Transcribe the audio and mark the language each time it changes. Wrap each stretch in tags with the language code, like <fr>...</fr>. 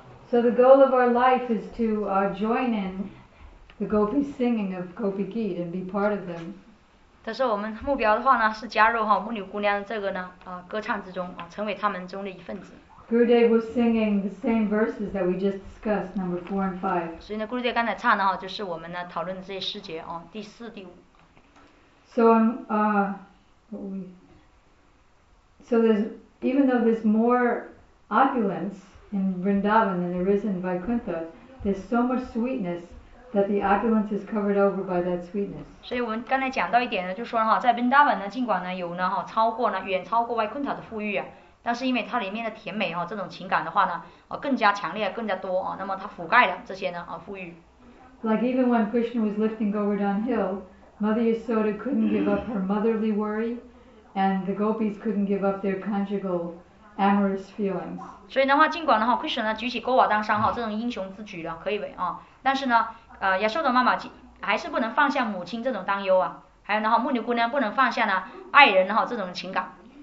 <en>So the goal of our life is to join in the Gopi singing of Gopi Geet and be part of them.</en> <zh>但是我们目标的话呢，是加入哈牧牛姑娘这个呢歌唱之中啊，成为他们中的一份子。</zh> <en>Gurudev was singing the same verses that we just discussed, number 4 and 5.</en> <zh>所以呢 ，Gurudev 刚才唱的哈，就是我们呢讨论的这些诗节啊，第四、第五。</zh> <en>So there's, even though there's more opulence in Vrindavan than there is in Vaikuntha, there's so much sweetness that the opulence is covered over by that sweetness.</en> <zh>所以我们刚才讲到一点呢，就说哈，在 Vrindavan 呢，尽管呢有呢哈超过呢远超过 Vaikuntha 的富裕啊，但是因为它里面的甜美哈这种情感的话呢，更加强烈，更加多啊，那么它覆盖了这些呢富裕。</zh> <en>Like even when Krishna was lifting Govardhan Hill, Mother Yasoda couldn't give up her motherly worry. and the gopis couldn't give up their conjugal amorous feelings.</en> <zh>所以的话，尽管的话，奎舍呢举起勾瓦当山哈这种英雄之举了，可以为啊，但是呢，亚瑟的妈妈还是不能放下母亲这种担忧啊，还有然后木牛姑娘不能放下呢爱人哈这种情感。</zh>